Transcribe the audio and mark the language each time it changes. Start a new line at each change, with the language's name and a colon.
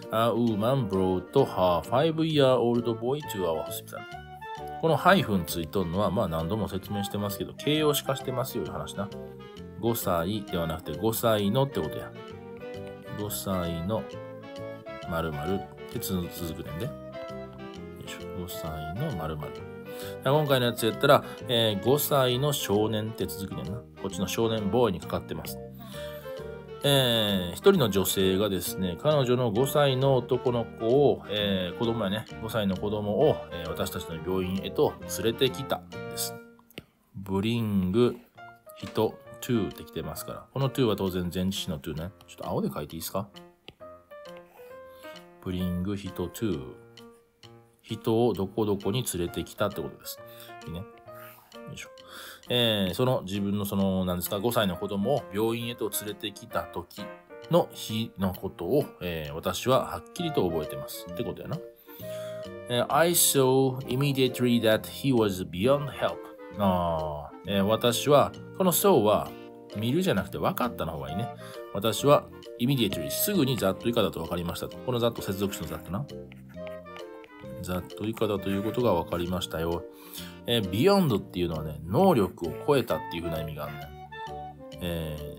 English: A woman brought her 5-year-old boy to our hospital。
Japanese: このハイフンついとんのは、まあ何度も説明してますけど、形容詞化してますよいう話な。 5歳ではなくて5歳のってことや。5歳の〇〇って続くねんで、5歳の〇〇。今回のやつやったら、5歳の少年って続くねんな。こっちの少年ボーイにかかってます。一人の女性がですね、彼女の5歳の男の子を、子供やね、5歳の子供を、私たちの病院へと連れてきたんです。 bring 人 to って来てますから、この to は当然前置詞の to ね。ちょっと青で書いていいですか。 bring 人 to、 人をどこどこに連れてきたってことです。いいね。よいしょ。その自分のその何ですか、5歳の子供を病院へと連れてきた時の日のことを、私ははっきりと覚えてますってことやな。
English: I saw immediately that he was beyond help。
Japanese: 私はこの saw は見るじゃなくて分かったの方がいいね。私は immediately、 すぐにざっと以下だと分かりましたと。このざっと接続詞のざっとな、ざっと以下だということが分かりましたよ。 beyond っていうのはね、能力を超えたっていう風な意味があるね。